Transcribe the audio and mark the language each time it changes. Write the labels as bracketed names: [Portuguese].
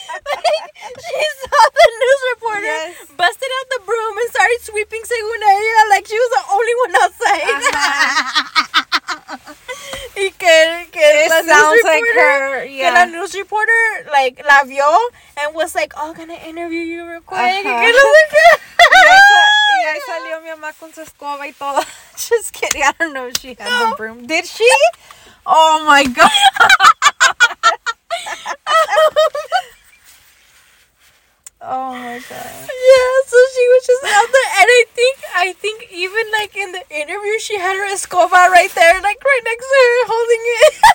[English] like, she saw the news reporter busted out the broom and started sweeping [Spanish] según ella, [English] like she was the only one outside. Uh-huh. It sounds like her. [Spanish] Que la [English] news reporter, like, [Spanish] la vio [English] and was like, oh, gonna interview you real quick. [Spanish] Uh-huh. Y que no sé qué. Y ahí salió mi mamá con su escoba y todo. [English] Just kidding, I don't know if she had the broom. Did she? Oh my god. Oh my god. Yeah, so she was just out there, and I think even like in the interview she had her escoba right there, like right next to her holding it.